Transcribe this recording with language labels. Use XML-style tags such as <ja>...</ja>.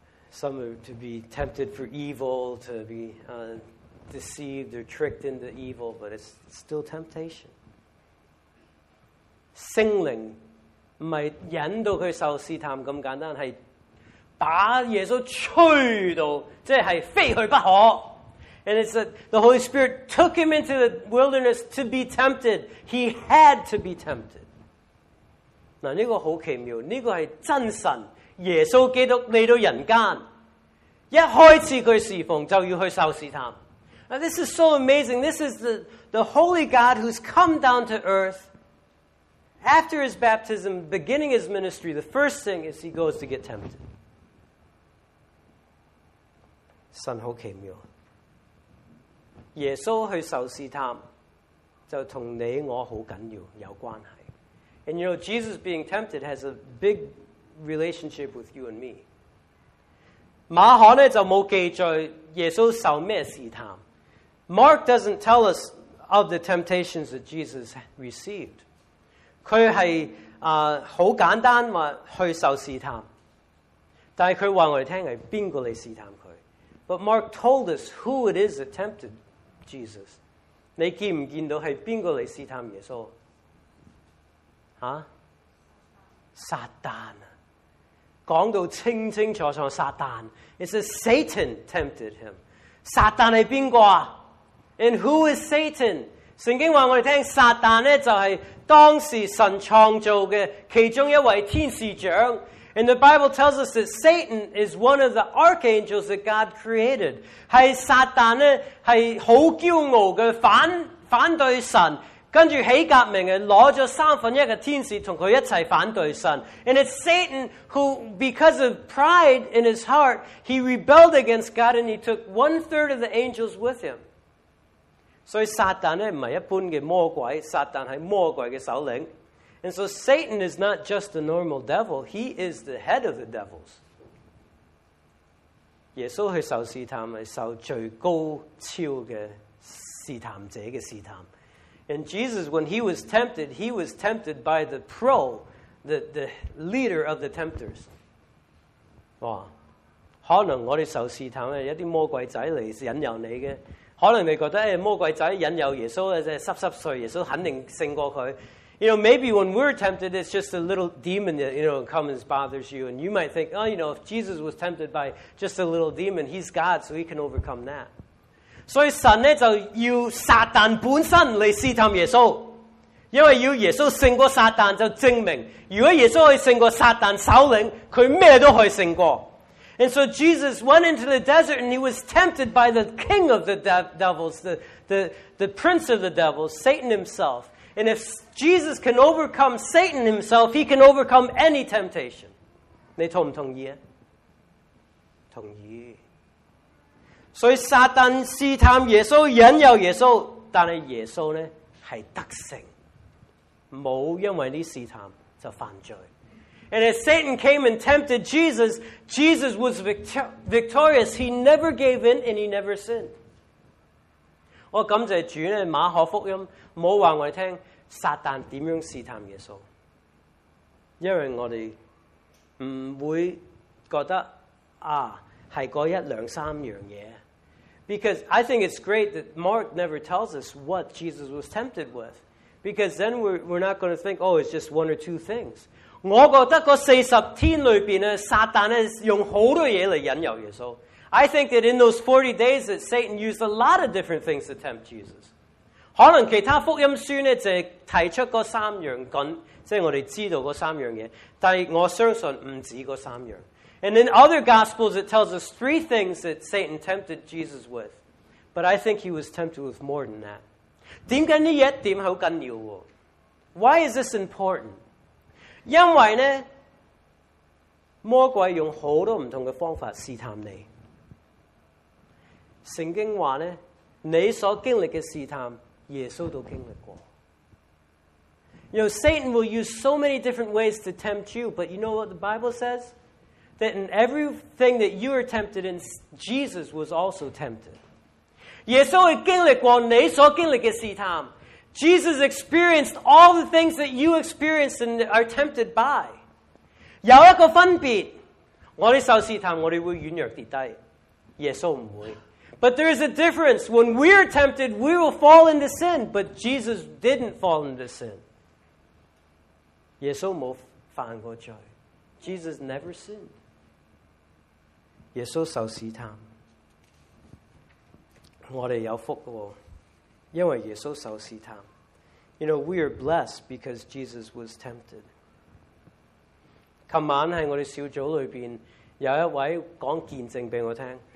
<en>some are to be tempted for evil, to be deceived or tricked into evil, but it's still temptation.</en> <zh>圣灵不是引到他受试探那么简单，是把耶稣吹到，即是非去不可。</zh> <en>And it's that the Holy Spirit took him into the wilderness to be tempted. He had to be tempted.</en> <zh>那这个很奇妙，这个是真神，耶稣基督来到人间，一开始他侍奉就要去受试探。</zh> <en>Now this is so amazing. This is the Holy God who's come down to earth. After his baptism, beginning his ministry, the first thing is he goes to get tempted.</en> <zh>神好奇妙，耶稣去受试探，就同你我好紧要有关系。</zh> <en>And you know, Jesus being tempted has a big relationship with you and me.</en> <zh>马可呢就冇记载耶稣受咩试探。</zh> <en>Mark doesn't tell us of the temptations that Jesus received.</en> <zh>他是很简单说去受试探，但是他告诉我们是谁来试探他。</zh> <en>But Mark told us who it is that tempted Jesus.</en> <zh>你见不见到是谁来试探耶稣？啊？撒旦。讲到清清楚楚，撒旦。</zh> <en>It says Satan tempted him.</en> <zh>撒旦是谁啊？</zh> <en>And who is Satan?</en> <zh>圣经告诉我们，撒旦就是当时神创造的其中一位天使长。</zh> <en>And the Bible tells us that Satan is one of the archangels that God created.</en> <zh>是撒旦是很骄傲的 反对神，跟着起革命的，拿了三分一的天使跟他一起反对神。</zh> <en>And it's Satan who, because of pride in his heart, he rebelled against God and he took one third of the angels with him.</en> <zh>所以撒旦不是一般的魔鬼，撒旦是魔鬼的首领。</zh> <en>And so Satan is not just a normal devil, he is the head of the devils.</en> <zh>耶稣去受试探是受最高超的试探者的试探。</zh> <en>And Jesus, when he was tempted by the pro, the leader of the tempters.</en> <zh>哇，可能我们受试探是一些魔鬼仔来引诱你的。可能你觉得，魔鬼仔引诱耶稣，湿湿碎，耶稣肯定胜过他。</zh> <en>You know, maybe when we're tempted, it's just a little demon that, you know, comes and bothers you. And you might think, oh, you know, if Jesus was tempted by just a little demon, he's God, so he can overcome that.</en> <zh>所以神呢，就要撒旦本身来试探耶稣。因为要耶稣胜过撒旦，就证明，如果耶稣可以胜过撒旦首领，他咩都可以胜过。</zh> <en>And so Jesus went into the desert and he was tempted by the king of the devils, the prince of the devils, Satan himself. And if Jesus can overcome Satan himself, he can overcome any temptation.</en> <zh>你同不同意啊？同意。所以撒旦试探耶稣，引诱耶稣，但是耶稣呢是得胜，没有因为这试探就犯罪。</zh> <en>And as Satan came and tempted Jesus, Jesus was victorious. He never gave in and he never sinned.</en> <zh>我感谢主呢，马可福音没有告诉我们撒旦怎样试探耶稣，因为我们不会觉得啊是那一两三样东西。</zh> <en>Because I think it's great that Mark never tells us what Jesus was tempted with. Because then we're not going to think, oh, it's just one or two things.</en> <zh>我觉得那四十天里面呢，撒旦呢用好多东西来引诱耶稣。</zh> <en>I think that in those 40 days that Satan used a lot of different things to tempt Jesus.</en> <zh>可能其他福音书呢就提出那三样，即是我们知道那三样东西，但是我相信不止那三样。</zh> <en>And in other Gospels, it tells us three things that Satan tempted Jesus with. But I think he was tempted with more than that.</en> <zh>点解呢一点好紧要喎？</zh> <en>Why is this important?</en> <zh>因为呢，魔鬼用好多唔同嘅方法试探你。圣经话呢，你所经历嘅试探，耶稣都经历过。</zh> <en>You know, Satan will use so many different ways to tempt you, but you know what the Bible says? That in everything that you are tempted in, Jesus was also tempted.</en> <zh>耶稣也经历过你所经历的试探。</zh> <en>Jesus experienced all the things that you experienced and are tempted by.</en> <zh>有一个分别，我们受试探，我们会软弱跌低，耶稣不会。</zh> <en>But there is a difference. When we are tempted, we will fall into sin. But Jesus didn't fall into sin.</en> <zh>耶稣没有犯过罪。</zh> <en>Jesus never sinned.</en> <zh>耶稣受试探，我们有福哦，因为耶稣受试探。</zh> <en>You know, we are blessed because Jesus was tempted.</en> <zh>昨晚在我们小组里面，有一位讲见证给我听。</zh>